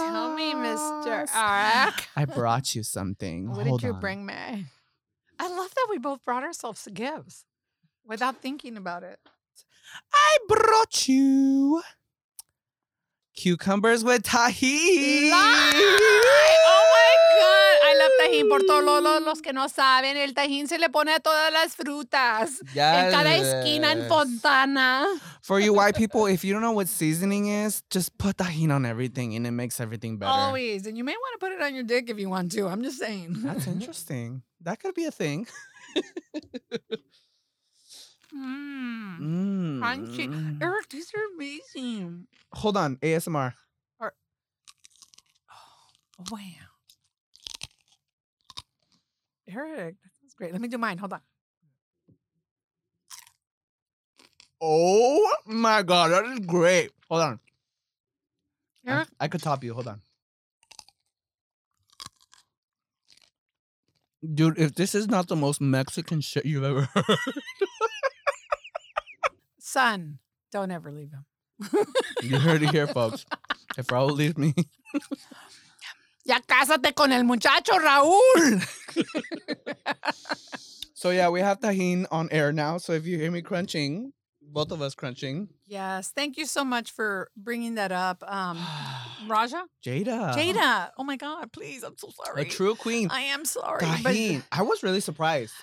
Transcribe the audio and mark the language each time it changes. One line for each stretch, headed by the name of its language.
English: Tell me, Mr. Erick. I brought you something. What did you bring me? I love that we both brought ourselves gifts without thinking about it. I brought you cucumbers with tahini. Oh my God. I love tahini.
Spanish: Por todos los que no saben, el tahini se le pone a todas las frutas.
English: Yes.
Spanish: En cada esquina en Fontana.
English: For you white people, if you don't know what seasoning is, just put tahini on everything and it makes everything better. Always. And you may want to put it on your dick if you want to. I'm just saying. That's interesting. That could be a thing. Crunchy. Erick, these are amazing. Hold on, ASMR. Wow. Erick, that's great. Let me do mine. Hold on. Oh my God, that is great. Hold on. Erick? I could top you. Hold on. Dude, if this is not the most Mexican shit you've ever heard. Son, don't ever leave him. You heard it here, folks. If Raul leaves me.
Spanish: Ya cásate con el muchacho, Raul.
English: So, yeah, we have tahin on air now. So if you hear me crunching, both of us crunching. Yes. Thank you so much for bringing that up. Raja? Jada. Oh, my God. Please. I'm so sorry. A true queen. I am sorry. Tahin. But I was really surprised.